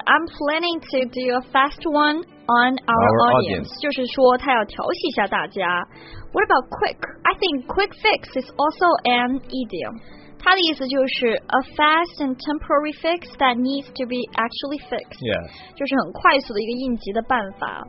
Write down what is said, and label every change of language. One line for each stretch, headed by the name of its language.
English: I'm planning to do a fast one on our audience.
Chinese: 就是说他要调戏一下大家。
English: What about quick? I think quick fix is also an idiom.
Chinese: 它的意思就是
English: a fast and temporary fix that needs to be actually fixed. Yes.
Chinese: 就是很快速的一个应急的办法。